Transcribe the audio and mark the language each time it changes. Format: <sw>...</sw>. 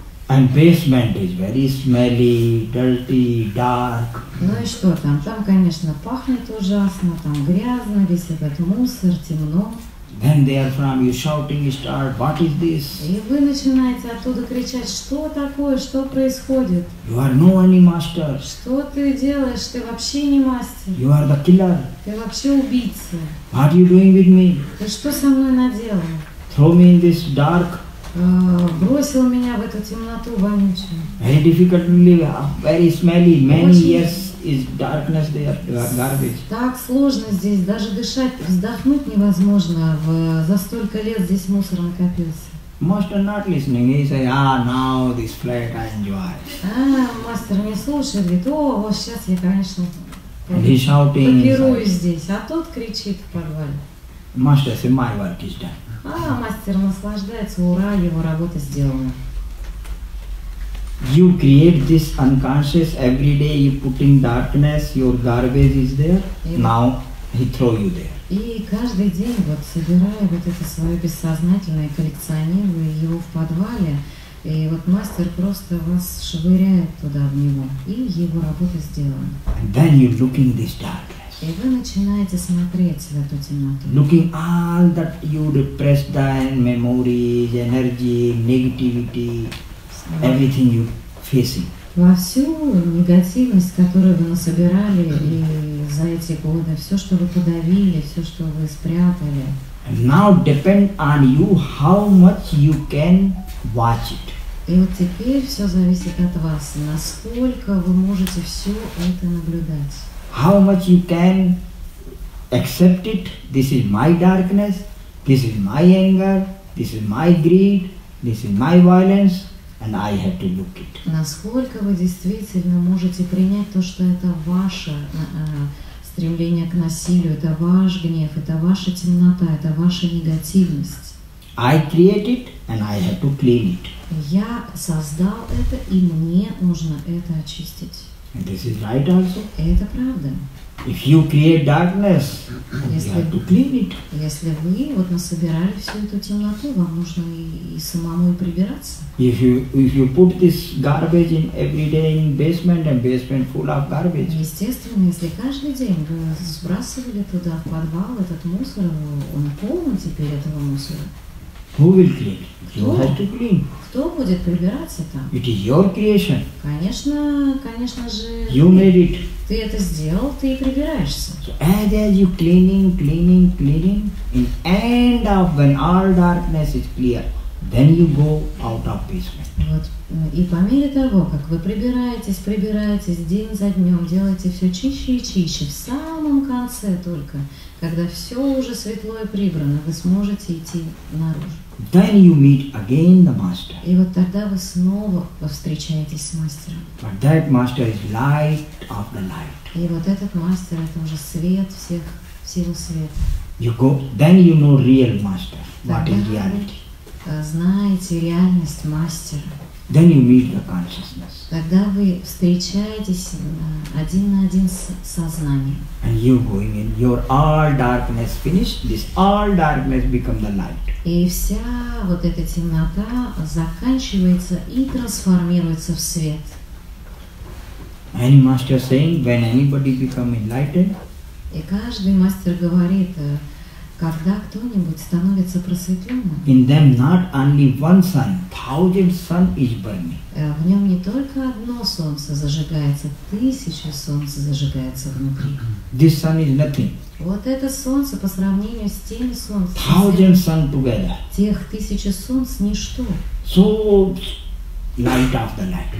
<en>And basement is very smelly, dirty, dark.</en> <ru>Ну и что там? Там, конечно, пахнет ужасно, там грязно, весь этот мусор, темно.</ru> <en>Then they are from you shouting, start, what is this?</en> <ru>И вы начинаете оттуда кричать, что такое, что происходит?</ru> <en>You are no any master.</en> <ru>Что ты делаешь? Ты вообще не мастер.</ru> <en>You are the killer.</en> <ru>Ты вообще убийца.</ru> <en>What are you doing with me?</en> <ru>Ты что со мной наделал?</ru> <en>Throw me in this dark.</en> <ru>Бросил меня в эту темноту вонючую.</ru> <en>Very difficult to live, very smelly, many years is darkness there, garbage.</en> <ru>Так сложно здесь, даже дышать, вздохнуть невозможно, за столько лет здесь мусор накопился.</ru> <en>Master not listening, he say, ah, now this flat I enjoy.</en> <ru>Мастер не слушает, говорит, о, вот сейчас я, конечно, попирую здесь, а тот кричит в подвале.</ru> <en>Master say, my work is done.</en> <ru>А мастер наслаждается, ура, его работа сделана.</ru> <en>You create this unconscious every day, you put in darkness, your garbage is there,</en> <ru>и</ru> <en>now he throw you there.</en> <ru>И каждый день, вот собирая вот это свое бессознательное, коллекционируя его в подвале, и вот мастер просто вас швыряет туда в него, и его работа сделана.</ru> <en>And then you look in this darkness.</en> <ru>И вы начинаете смотреть в эту темноту.</ru> <en>Looking all that you repressed in memories, energy, negativity, everything you facing.</en> <ru>Во всю негативность, которую вы насобирали и за эти годы, все, что вы подавили, все, что вы спрятали.</ru> <en>And now depend on you how much you can watch it.</en> <ru>И вот теперь все зависит от вас, насколько вы можете все это наблюдать.</ru> <en>How much you can accept it? This is my darkness, this is my anger, this is my greed, this is my violence, and I have to look it.</en> <ru>Насколько вы действительно можете принять то, что это ваше стремление к насилию, это ваш гнев, это ваша темнота, это ваша негативность?</ru> <en>I create it, and I have to clean it.</en> <ru>Я создал это, и мне нужно это очистить.</ru> <en>And this is right also.</en> <ru>Это правда.</ru> <en>If you create darkness,</en> <ru>если,</ru> <en>you have to clean it.</en> <ru>Если вы вот насобирали всю эту темноту, вам нужно и самому прибираться.</ru> <en>If you put this garbage in every day in basement and basement full of garbage.</en> <ru>Естественно, если каждый день вы сбрасывали туда в подвал этот мусор, он полон теперь этого мусора.</ru> <en>Who will clean? You have to clean.</en> <ru>Кто будет прибираться там?</ru> <en>It is your creation.</en> <ru>Конечно, конечно же.</ru> <en>You made it.</en> <ru>Ты это сделал, ты и прибираешься.</ru> <en>So as you cleaning, in end of when all darkness is clear, then you go out of basement.</en> <ru>Вот. И по мере того, как вы прибираетесь день за днем, делаете все чище и чище, в самом конце только, когда все уже светло и прибрано, вы сможете идти наружу.</ru> <en>Then you meet again the master.</en> <ru>И вот тогда вы снова повстречаетесь с мастером.</ru> <en>But that master is light of the light.</en> <ru>И вот этот мастер — это уже свет всех, силу света.</ru> <en>You go, then you know real master, what is reality.</en> <ru>Знаете реальность мастера.</ru> <en>Then you meet the consciousness.</en> <ru>Тогда вы встречаетесь один на один с сознанием.</ru> <en>And you going in, your all darkness finished. This all darkness become the light.</en> <ru>И вся вот эта темнота заканчивается и трансформируется в свет.</ru> <en>Any master saying when anybody become enlightened?</en> <ru>И каждый мастер говорит, когда кто-нибудь становится просветленным.</ru> <en>In them not only one sun, thousand sun is burning.</en> <ru>В нем не только одно солнце зажигается, тысяча солнц зажигается внутри.</ru> <en>This sun is nothing.</en> <ru>Вот это солнце по сравнению с теми солнцами.</ru> <en>Thousand sun together.</en> <ru>Тех тысяча солнц ничто.</ru> <en>So light of the light.</en>